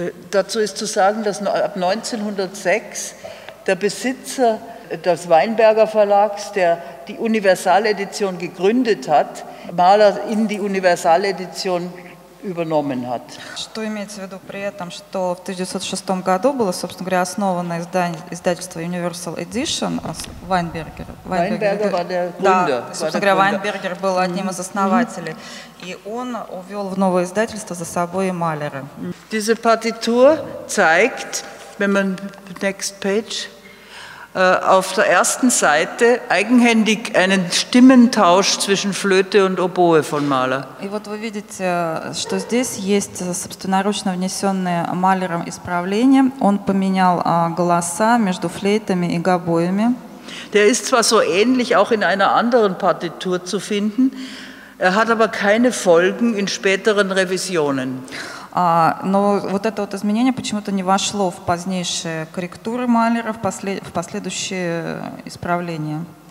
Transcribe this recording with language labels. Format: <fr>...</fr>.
<de>Dazu ist zu sagen, dass ab 1906 der Besitzer des Weinberger Verlags, der die Universal-Edition gegründet hat, Mahler in die Universal-Edition übernommen hat.</de> <ru>Что имеется в виду при этом, что в 1906 году было, собственно говоря, основано издательство Universal Edition Вайнбергера.</ru> <de>Вайнбергер war der Gründer.</de> <ru>Да, собственно говоря, Вайнбергер был одним из основателей. И он увел в новое издательство за собой и Малера.</ru> <de>Diese Partitur zeigt, wenn man</de> <en>next page,</en> <de>auf der ersten Seite eigenhändig einen Stimmentausch zwischen Flöte und Oboe von Mahler.</de> <ru>И вот вы видите, что здесь есть собственноручно внесенные Малером исправления. Он поменял голоса между флейтами и гобоями.</ru> <de>Der ist zwar so ähnlich auch in einer anderen Partitur zu finden, er hat aber keine Folgen in späteren Revisionen.</de> <ru>Но вот это вот изменение почему-то не вошло в позднейшие корректуры Малера, в последующие исправления.</ru>